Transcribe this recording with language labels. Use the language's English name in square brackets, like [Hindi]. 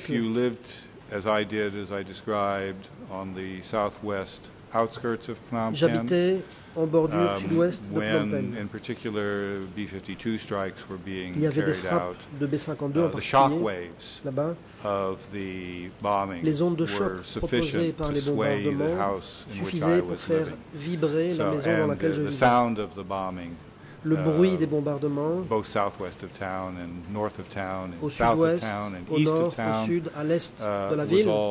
[English] But if you lived as I did, as I described, on the southwest outskirts of Phnom Penh, [French] en bordure sud-ouest de Phnom Penh. [English] In particular, B-52 strikes were being [French] il y avait des frappes de B-52 en particulier là-bas. [English] Of the bombing [French] les ondes de choc proposées par les bombardements suffisaient pour faire vibrer la maison dans laquelle je vivais. Le bruit des bombardements, [English] both southwest of town and north of town, [French] au sud-ouest, au nord, au sud, à l'est de la ville,